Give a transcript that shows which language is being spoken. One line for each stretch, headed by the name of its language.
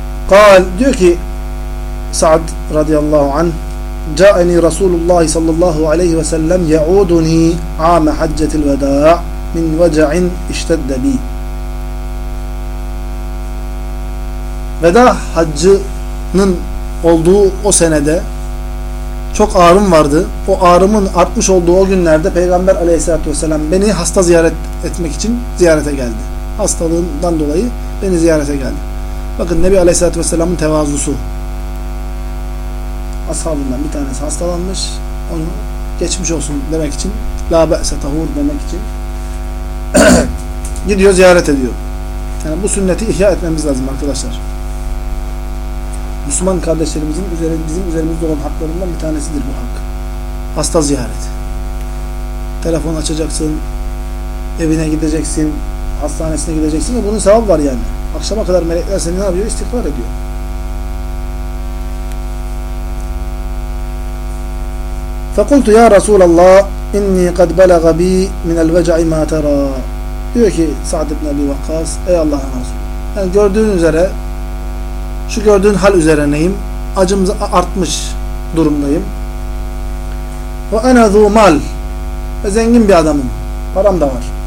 Arabic: قال
Turkish: diyor ki
Arabic: Sa'd radıyallahu anh جاءني رسول الله صلى الله عليه وسلم يعودني عام حجة الوداع من وجع اشتد بي.
Turkish: Veda haccının olduğu o senede çok ağrım vardı. O ağrımın artmış olduğu o günlerde Peygamber aleyhissalatü vesselam beni hasta ziyaret etmek için ziyarete geldi. Hastalığından dolayı beni ziyarete geldi. Bakın Nebi aleyhissalatü vesselamın tevazusu. Ashabından bir tanesi hastalanmış. Onu geçmiş olsun demek için
Arabic: la be'se tahur
Turkish: demek için gidiyor ziyaret ediyor. Yani bu sünneti ihya etmemiz lazım arkadaşlar. Müslüman kardeşlerimizin bizim üzerimizde olan haklarından bir tanesidir bu hak. Hasta ziyaret. Telefon açacaksın, evine gideceksin, hastanesine gideceksin ve bunun sevabı var yani. Akşama kadar melekler seni ne yapıyor? İstihbar ediyor.
Arabic: فقلت يا رسول الله اني قد بلغ بي من الوجع ما ترى.
Turkish: Diyor ki Sa'd ibn Ebi Vakkas, ey Allah'ın Resulü. Yani gördüğün üzere şu gördüğün hal üzere neyim? Acım artmış durumdayım.
Arabic: Ve ana zu mal.
Turkish: Ve zengin bir adamım. Param da var.